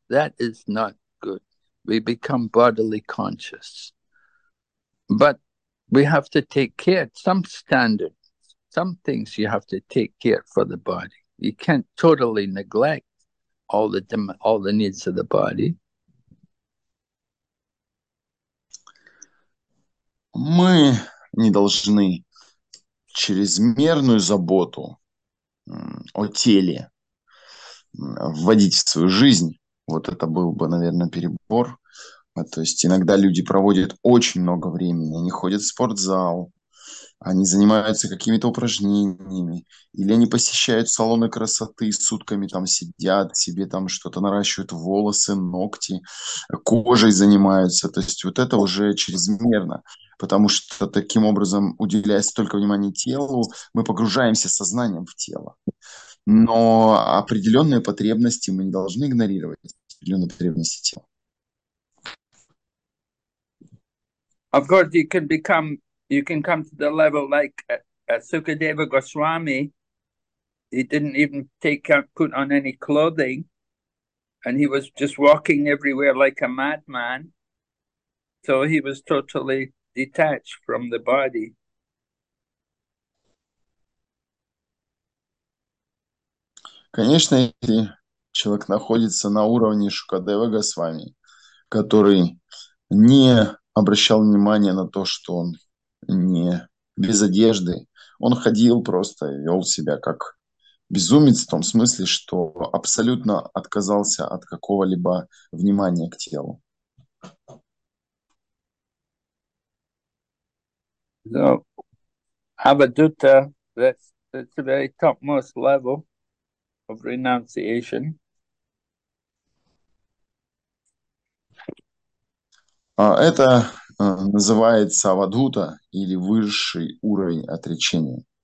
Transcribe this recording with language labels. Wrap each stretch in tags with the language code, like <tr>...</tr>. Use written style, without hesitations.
<en>That is not good. We become bodily conscious. But we have to take care, some standards, some things you have to take care for the body. You can't totally neglect all the needs of the body.</en> <ru>Мы не должны чрезмерную заботу о теле вводить в свою жизнь. Вот это был бы, наверное, перебор. То есть иногда люди проводят очень много времени. Они ходят в спортзал, они занимаются какими-то упражнениями, или они посещают салоны красоты, сутками там сидят, себе там что-то наращивают, волосы, ногти, кожей занимаются. То есть вот это уже чрезмерно. Потому что таким образом, уделяя столько внимания телу, мы погружаемся сознанием в тело. Но определенные потребности мы не должны игнорировать, определенные потребности тела.</ru> <en>Of course, you can become You can come to the level like Sukadeva Goswami. He didn't even put on any clothing, and he was just walking everywhere like a madman. So he was totally detached from the body.</en> <ru>Конечно, если человек находится на уровне Шукадева Госвами, который не обращал внимания на то, что он не без одежды, он ходил просто и вел себя как безумец, в том смысле, что абсолютно отказался от какого-либо внимания к телу.</ru> <en>So, Avaduta, that's the very topmost level of renunciation.</en> <ru>Это называется авадхута или высший уровень отречения.</ru>